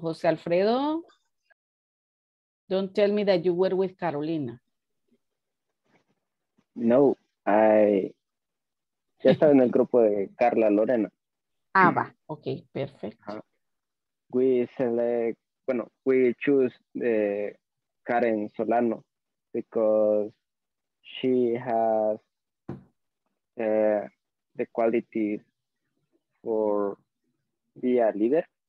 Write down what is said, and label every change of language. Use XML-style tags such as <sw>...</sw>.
<en>José Alfredo, don't tell me that you were with Carolina.</en> <es>No, I ya estaba en el grupo de Carla Lorena.</es> <en>Ah, va. Okay, perfect. We select, bueno, we choose the Karen Solano because she has the qualities for be a leader.</en>